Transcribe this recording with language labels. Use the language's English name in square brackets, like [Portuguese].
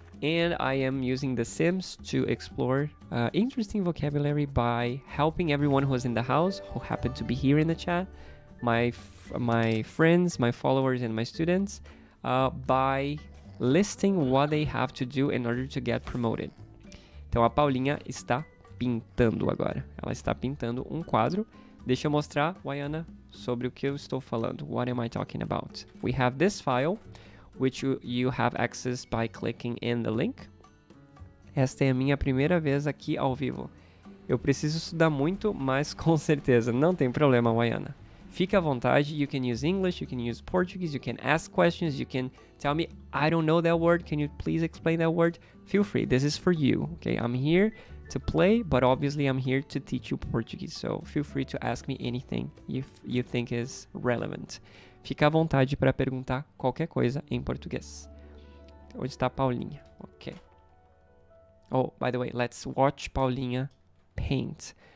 [English] And I am using The Sims to explore interesting vocabulary by helping everyone who's in the house, who happened to be here in the chat, my friends, my followers, and my students, by listing what they have to do in order to get promoted. [Portuguese] Então, a Paulinha está pintando agora. Ela está pintando um quadro. Deixa eu mostrar, Wayana, sobre o que eu estou falando. [English] What am I talking about? We have this file, which you have access by clicking in the link. [Portuguese] Esta é a minha primeira vez aqui ao vivo. Eu preciso estudar muito, mas com certeza. Não tem problema, Wayana. Fique à vontade. [English] You can use English, you can use Portuguese, you can ask questions, you can tell me, I don't know that word, can you please explain that word? Feel free, this is for you, okay? I'm here to play, but obviously I'm here to teach you Portuguese, so feel free to ask me anything if you think is relevant. [Portuguese] Fica à vontade para perguntar qualquer coisa em português. Onde está a Paulinha? Ok. [English] Oh, by the way, let's watch Paulinha paint.